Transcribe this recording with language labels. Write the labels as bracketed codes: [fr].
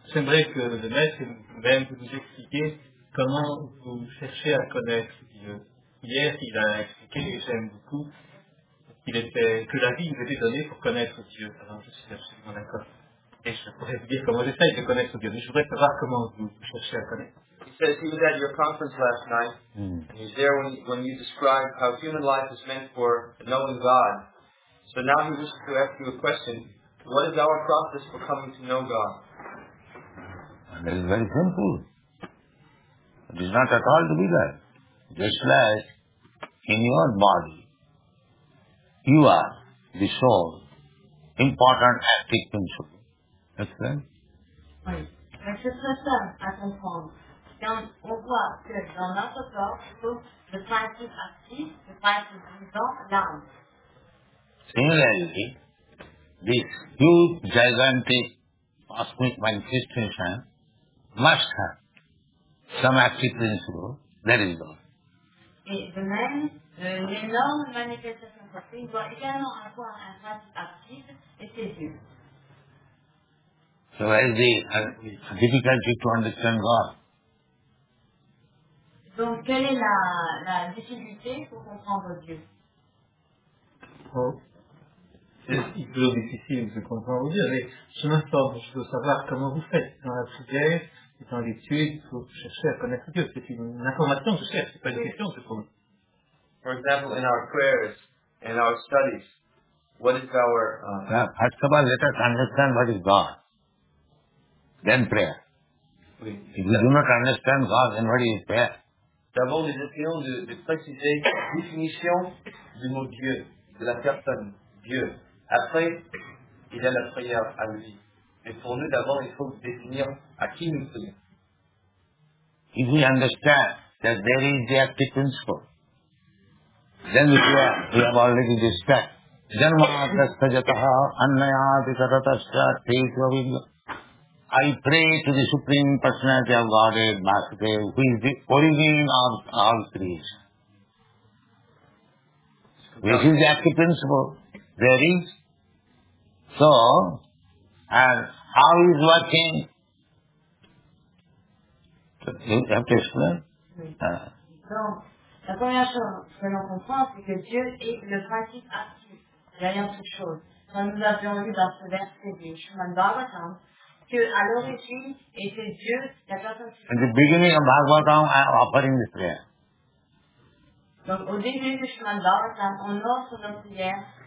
[fr] J'aimerais que le maître même vous expliquer comment vous cherchez à connaître Dieu. Hier, il a expliqué, et j'aime beaucoup, qu'il était, que la vie nous était donnée pour connaître Dieu. Alors, je suis absolument d'accord. Et je pourrais vous dire comment j'essaye de connaître Dieu, mais je voudrais savoir comment vous cherchez à connaître. [en] He says he was at your conference last night, and he's there when you describe how human life is meant for knowing God. So now he wishes to ask you a question. What is our process for coming to know God? And it is very simple. It is not at all difficult. Just like in your body, you are the soul, important active principle. That's right. Right. [fr] C'est ça, ça, ça, à comprendre. Quand on voit que dans notre corps, tout le principe actif, le principe vivant, l'âme. [en] Similarly, this huge, gigantic, cosmic manifestation must have some active principle, that is God. [fr] Et de même, l'énorme manifestation cosmique doit également avoir un principe actif, et c'est Dieu. [en] So what is the difficulty to understand God? [fr] Donc, quelle est la difficulté pour comprendre Dieu? Il est toujours difficile de comprendre Dieu, mais je m'informe, je veux savoir comment vous faites dans la prière, dans l'étude, pour chercher à connaître Dieu. C'est une information que je cherche, ce n'est pas une question que je pose. [en] For example, in our prayers, in our studies, what is our... First of all, let us understand what is God. Then prayer. Oui. If we do not understand God, then what is prayer? [fr] D'abord, nous essayons de préciser la définition du mot Dieu, de la personne. Dieu. Après, il y a la prière à lui. Et pour nous, d'abord, il faut définir à qui nous prions. [en] If we understand that there is the active principle, then we pray, we have already discussed. Janmatastajataha annayatisatatastra tekravindya. I pray to the Supreme Personality of Godhead, Master, who is the origin of all creation. This is the active principle. There is. So, and how is working? You have to explain. [fr] Donc, la première chose que l'on comprend, c'est que Dieu est le principe actif derrière toute chose. Donc, nous avions lu dans ce verset du Shrimad Bhagavatam que à l'origine était Dieu, la personne qui... [en] In the beginning of Bhagavatam, I am offering this prayer. [fr] Donc, au début du Shrimad Bhagavatam, on offre notre prière.